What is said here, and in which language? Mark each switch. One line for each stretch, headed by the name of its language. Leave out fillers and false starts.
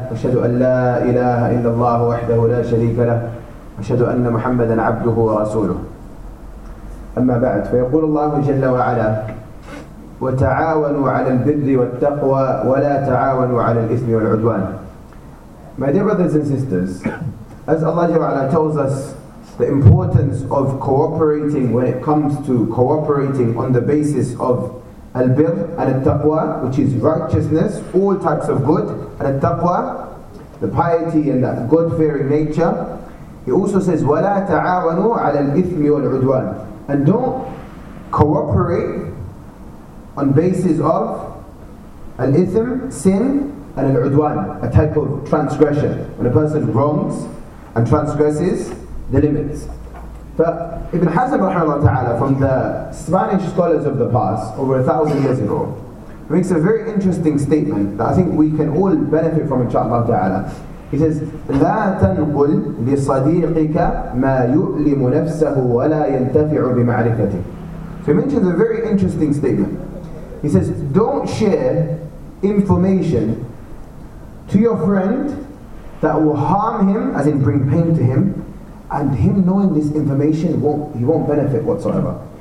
Arabic: أشهد أن لا إله إلا الله وحده لا شريك له، أشهد أن محمدا عبده ورسوله، أما بعد، فيقول الله جل وعلا: وتعاونوا على البر والتقوى ولا تعاونوا على الإثم والعدوان.
English: My dear brothers and sisters, as Allah Ta'ala tells us the importance of cooperating when it comes to cooperating on the basis of al-birr and al-taqwa, which is righteousness, all types of good, and al-taqwa, the piety and that God-fearing nature, He also says,
Arabic: وَلَا تَعَاوَنُوا عَلَى الْإِثْمِ وَالْعُدْوَانِ,
English: and don't cooperate on basis of al-ithm, sin, and al-udwan, a type of transgression, when a person wrongs and transgresses the limits. But Ibn Hazm rahimahullah ta'ala, from the Spanish scholars of the past, over 1,000 years ago, makes a very interesting statement that I think we can all benefit from, inshaAllah ta'ala. He says,
Arabic: لَا تَنْقُلْ لِصَدِيقِكَ مَا يُؤْلِمُ نَفْسَهُ وَلَا يَنْتَفِعُ بِمَعْرِفَتِهِ.
English: So he mentions a very interesting statement. He says, don't share information to your friend that will harm him, as in bring pain to him, and him knowing this information, he won't benefit whatsoever.